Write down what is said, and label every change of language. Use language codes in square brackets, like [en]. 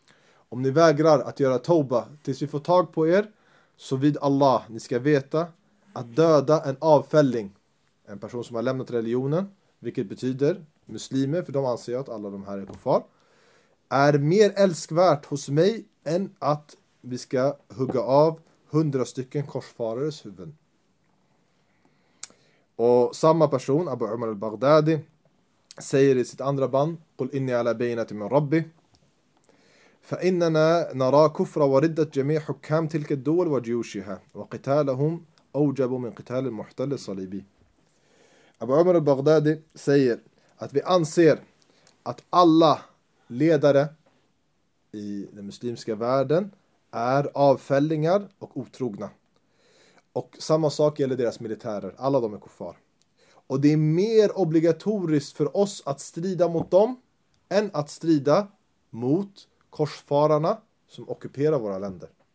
[sv] Om ni vägrar att göra tauba tills vi får tag på er, så vid Allah, ni ska veta att döda en avfälling, en person som har lämnat religionen, vilket betyder muslimer, för de anser ju att alla de här är kuffar, är mer älskvärt hos mig än att vi ska hugga av 100 stycken korsfarares huvuden. Och samma person, Abu Umar al-Baghdadi, säger i sitt andra band: [ar] قُلْ إِنِّي عَلَى بَيْنَةِ مِنْ رَبِّي فَإِنَّنَا نَرَا كُفْرَ وَرِدَّتْ جَمِيعُ حُكَّام تِلْكَ الدُّول وَجِيُوشِهَا وَقِتَالَهُمْ أَوْجَبُ مِنْ قِتَالِ الْمُحْتَلِ الصَّلِيبِ. [sv] Abu Umar al-Baghdadi säger att vi anser att alla ledare i den muslimska världen är avfällingar och otrogna. Och samma sak gäller deras militärer. Alla de är kuffar. Och det är mer obligatoriskt för oss att strida mot dem än att strida mot korsfararna som ockuperar våra länder.